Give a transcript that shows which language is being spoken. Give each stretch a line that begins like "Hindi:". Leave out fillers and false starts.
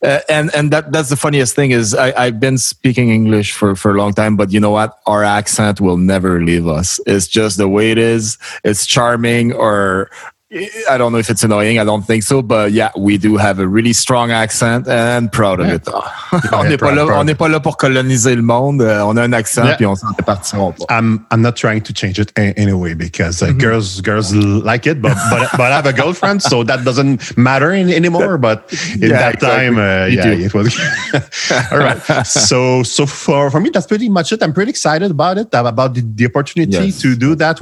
English: And that's the funniest thing is I've been speaking English for a long time, but you know what? Our accent will never leave us. It's just the way it is. It's charming, or I don't know if it's annoying. I don't think so. But yeah, we do have a really strong accent and proud of it.
French: On n'est pas là pour coloniser le monde. On a un accent, puis on s'en est parti.
English: I'm not trying to change it anyway because girls like it, but I have a girlfriend, so that doesn't matter anymore. But in time, it was. All right. So for me, that's pretty much it. I'm pretty excited about it, about the opportunity to do that.